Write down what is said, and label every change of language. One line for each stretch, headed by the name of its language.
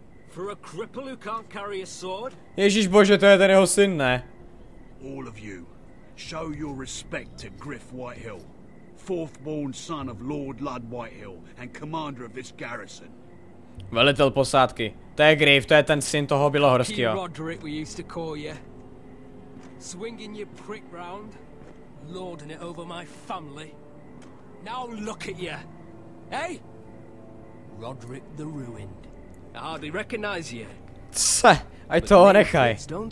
English: For a cripple who can't carry a sword?
Czech: Ježíš bože, to je ten jeho syn, ne?
English: All of you, show your respect to Griff Whitehill, fourth-born son of Lord Lud Whitehill and commander of this garrison.
Czech: Velitel posádky. To je Griff, to je ten syn toho Bělohorského.
English: Roderick, we used to call you. Swinging your prick round, lording it over my family. Now look at you, hey? Roderick the Ruined. Hardly recognize you. Tse, I to nechaj.